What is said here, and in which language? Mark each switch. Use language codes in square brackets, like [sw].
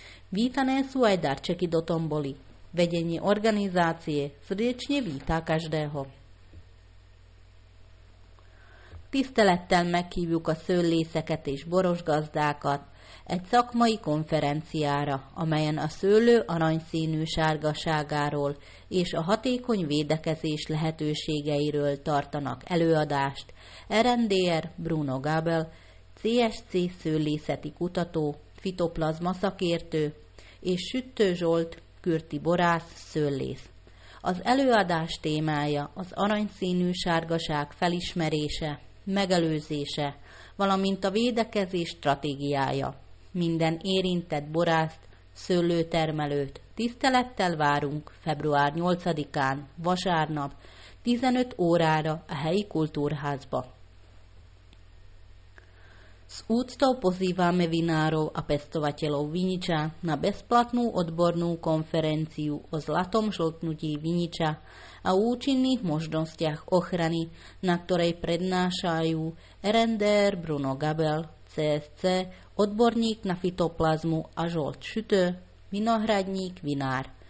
[sk] Vítané sú aj darčeky do tomboly. Vedenie organizácie srdečne vítá každého. [hu] Tisztelettel meghívjuk a szőlészeket és borosgazdákat egy szakmai konferenciára, amelyen a szőlő aranyszínű sárgaságáról és a hatékony védekezés lehetőségeiről tartanak előadást RNDR Bruno Gabel, CSC szőlészeti kutató, fitoplazma szakértő és Süttő Zsolt, kürti borász, szőlész. Az előadás témája az aranyszínű sárgaság felismerése, megelőzése, valamint a védekezés stratégiája. Minden érintett borászt, szőlőtermelőt tisztelettel várunk február 8-án, vasárnap, 15 órára a helyi kultúrházba. [sk] S úctou pozývame vinárov a pestovateľov viniča na bezplatnú odbornú konferenciu o zlatom žltnutí viniča a účinných možnostiach ochrany, na ktorej prednášajú RNDR Bruno Gabel, CSC, odborník na fitoplazmu a žolt Sütő, vinohradník, vinár.